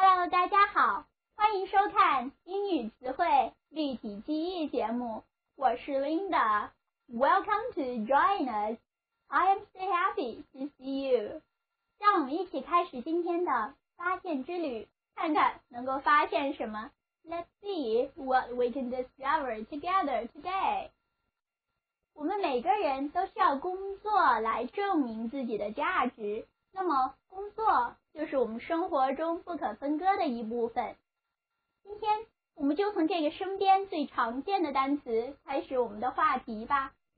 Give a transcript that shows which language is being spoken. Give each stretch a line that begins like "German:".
Chinese: 大家好，欢迎收看英语词汇立体记忆节目，我是 Linda。
English: Welcome to join us. I am so happy to see you.
Chinese: 让我们一起开始今天的发现之旅，看看能够发现什么。
English: Let's see what we can discover together today.
Chinese: 我们每个人都需要工作来证明自己的价值，那么工作就是我们生活中不可分割的一部分。今天我们就从这个身边最常见的单词开始我们的话题吧。